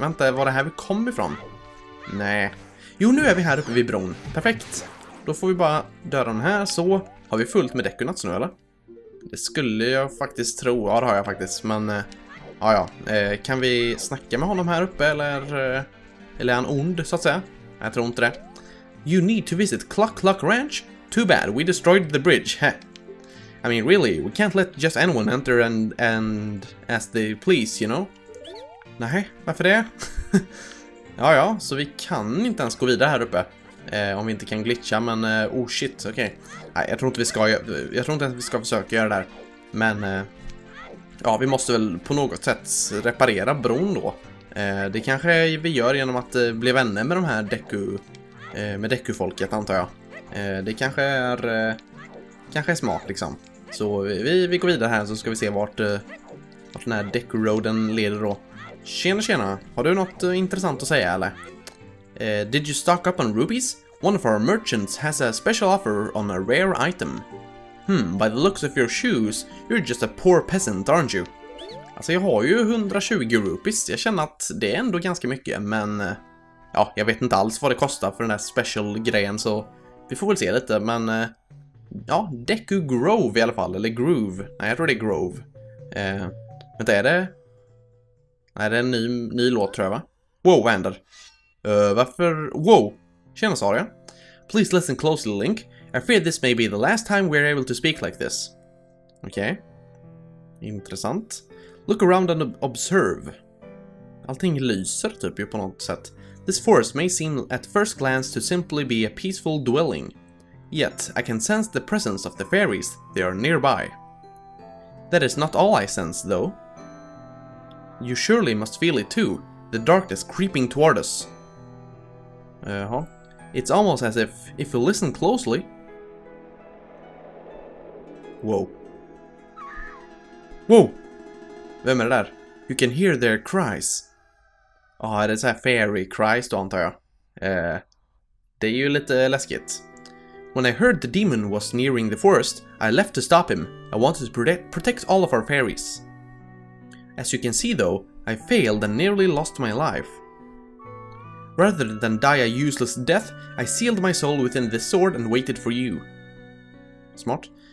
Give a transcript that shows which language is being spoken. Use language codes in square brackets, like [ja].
[sv] Vänta, var det här vi kom ifrån? Nej. Jo, nu är vi här uppe vid bron. Perfekt. Då får vi bara döda den här. Så har vi fullt med Dekunats nu, eller? Det skulle jag faktiskt tro. Ja, det har jag faktiskt. Men, ja. Kan vi snacka med honom här uppe? Eller är han ond, så att säga? Jag tror inte det. [en] You need to visit Cluck Cluck Ranch? Too bad, we destroyed the bridge. Heh. I mean, really, we can't let just anyone enter and as they please, you know? [sv] Nej, varför det? ja, så vi kan inte ens gå vidare här uppe. Om vi inte kan glitcha, men [en] oh shit, [sv] okej. Okay. Nej, jag tror inte ens vi ska försöka göra det här. Men ja, vi måste väl på något sätt reparera bron då. Det kanske vi gör genom att bli vänner med de här Deku-folket antar jag. Det kanske är smart liksom. Så vi går vidare här så ska vi se vart den här Deku-roaden leder då. Tjena. Har du något intressant att säga, eller? [en] Did you stock up on rubies? One of our merchants has a special offer on a rare item. By the looks of your shoes, you're just a poor peasant, aren't you? [sv] Alltså, jag har ju 120 rubies. Jag känner att det är ändå ganska mycket, men... ja, jag vet inte alls vad det kostar för den här special-grejen, så... vi får väl se lite, men... ja, Deku Grove i alla fall, eller Groove. Nej, jag tror det är Grove. Vänta, är det... nej, det är en ny låt, tror jag, va? Wow, vad händer? Varför... wow! Tjena, Saria. [en] Please listen closely, Link. I fear this may be the last time we're able to speak like this. Okej. Okay. Intressant. Look around and observe. [sv] Allting lyser, typ, ju på något sätt. [en] This forest may seem at first glance to simply be a peaceful dwelling. Yet, I can sense the presence of the fairies. They are nearby. That is not all I sense, though. You surely must feel it too, the darkness creeping toward us. Uh-huh. It's almost as if you listen closely. Whoa! [sv] Vem är det där? [en] You can hear their cries. [sv] Ah, oh, är det så här fairy cries då antar jag? Det är ju lite läskigt. [en] When I heard the demon was nearing the forest, I left to stop him. I wanted to protect all of our fairies. As you can see though, I failed and nearly lost my life. Rather than die a useless death, I sealed my soul within this sword and waited for you. Smart.